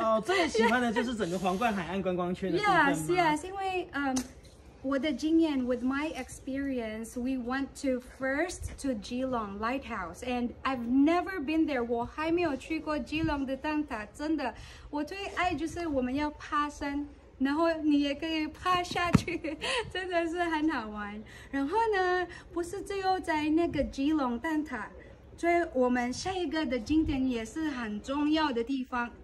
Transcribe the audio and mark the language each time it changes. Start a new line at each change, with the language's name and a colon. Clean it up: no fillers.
Chinese: 哦,最喜欢的就是整个皇冠海岸观光圈的地方吗?
English: Yes, yes,
Chinese: 因为
English: with the Jingyan, with my experience, we went to first to Geelong Lighthouse, and I've never been there.
Chinese: 我还没有去过 Geelong 的灯塔，真的，我最爱就是我们要爬山，然后你也可以爬下去，真的是很好玩。然后呢，不是只有在那个 Geelong 灯塔，所以我们下一个的景点也是很重要的地方。